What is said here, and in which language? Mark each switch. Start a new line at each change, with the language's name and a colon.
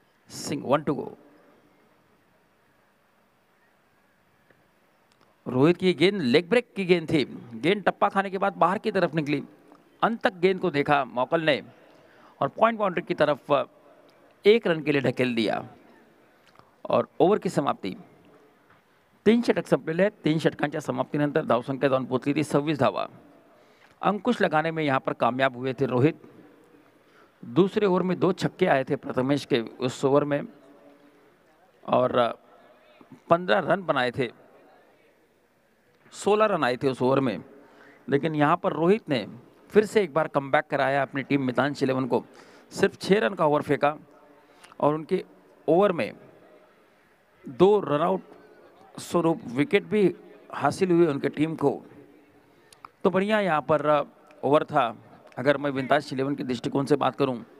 Hindi: Singh one to go, Rohit की गेंद leg break की गेंद थी, गेंद टप्पा खाने के बाद बाहर की तरफ निकली, अंत तक गेंद को देखा मौकल ने और पॉइंट बाउंड्री की तरफ एक रन के लिए ढकेल दिया और ओवर की समाप्ति।
Marathi: तीन षटक संपले, तीन षटकांच्या समाप्तीनंतर धाव संख्या दोन पोहोचली थी 26 धावा।
Hindi: अंकुश लगाने में यहाँ पर कामयाब हुए थे रोहित, दूसरे ओवर में दो छक्के आए थे प्रथमेश के उस ओवर में और 15 रन बनाए थे, 16 रन आए थे उस ओवर में, लेकिन यहाँ पर रोहित ने फिर से एक बार कमबैक कराया अपनी टीम मितांश इलेवन को, सिर्फ 6 रन का ओवर फेंका और उनके ओवर में दो रनआउट स्वरूप विकेट भी हासिल हुए उनके टीम को, तो बढ़िया यहाँ पर ओवर था अगर मैं विंताज इलेवन के दृष्टिकोण से बात करूं।